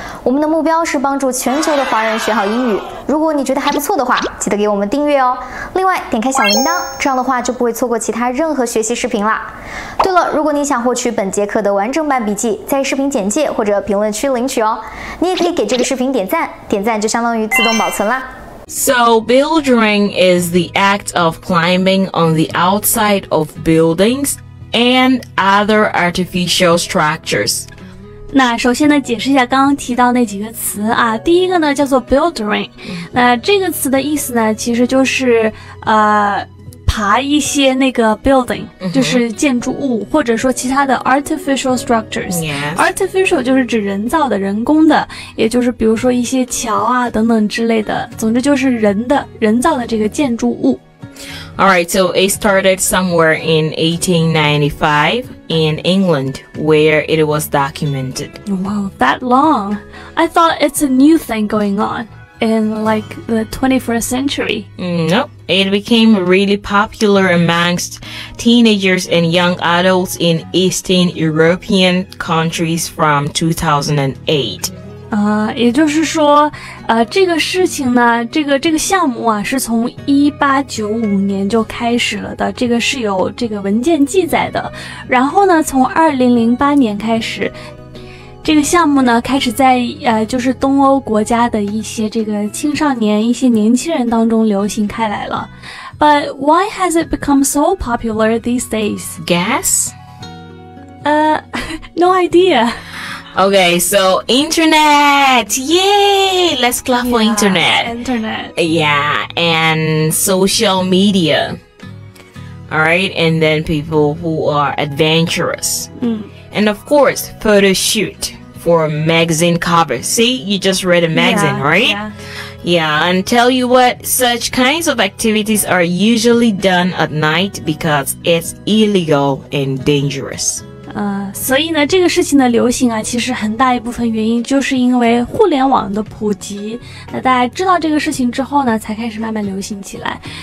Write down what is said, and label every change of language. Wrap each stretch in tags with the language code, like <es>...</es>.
<zh>我们的目标是帮助全球的华人学好英语。如果你觉得还不错的话，记得给我们订阅哦。另外点开小铃铛，这样的话就不会错过其他任何学习视频啦。对了，如果你想获取本节课的完整版笔记，在视频简介或者评论区领取哦。你也可以给这个视频点赞，点赞就相当于自动保存啦。</zh> <en>So, bouldering is the act of climbing on the outside of buildings and other artificial structures.</en> <zh>那首先呢解释一下刚刚提到那几个词啊，第一个呢叫做 bouldering, 那这个词的意思呢其实就是爬一些那个 building, 就是建筑物、mm-hmm. 或者说其他的 artificial structures、</zh> <en>yes.</en> <zh>artificial 就是指人造的人工的，也就是比如说一些桥啊等等之类的，总之就是人造的这个建筑物。</zh> <en>Alright, so it started somewhere in 1895 in England where it was documented. Wow, that long. I thought it's a new thing going onIn like the 21st century. Nope. It became really popular amongst teenagers and young adults in Eastern European countries from 2008.</en> <zh>也就是说这个事情呢这个项目啊是从1895年就开始了的，这个是有这个文件记载的。然后呢从2008年开始这个项目呢开始在就是东欧国家的一些这个青少年一些年轻人当中流行开来了。</zh> <en>But why has it become so popular these days? Guess? No idea. Okay, so internet! Yay! Let's clap for internet. Internet. Yeah, and social media. Alright, and then people who are adventurous. And of course, photo shoot for magazine cover. See, you just read a magazine, right? Yeah, and tell you what, such kinds of activities are usually done at night because it's illegal and dangerous.</en> <zh>所以呢，这个事情的流行啊，其实很大一部分原因就是因为互联网的普及。那大家知道这个事情之后呢，才开始慢慢流行起来。</zh>